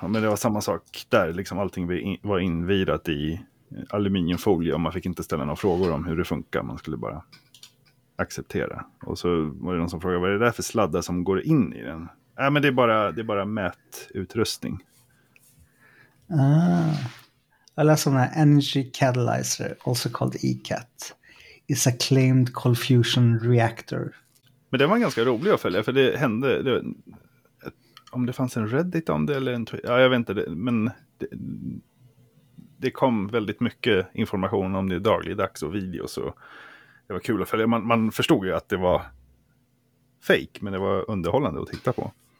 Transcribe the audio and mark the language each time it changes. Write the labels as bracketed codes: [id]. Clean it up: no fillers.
[sv] Men det var samma sak där. Liksom allting var invirat i aluminiumfolie och man fick inte ställa några frågor om hur det funkar. Man skulle bara acceptera. Och så var det någon som frågade, vad är det där för sladdar som går in i den? Nej, men det är bara mätutrustning. Ah. Jag läste om den här Energy Catalyzer, [en] also called [sv] ECAT. [en] It's a claimed cold fusion reactor. [sv] Men det var ganska rolig att följa, för det hände... Om det fanns en Reddit om det eller en... Ja, jag vet inte, men... det kom väldigt mycket information om det dagligdags och videos. Och det var kul att följa. Man förstod ju att det var fake, men det var underhållande att titta på.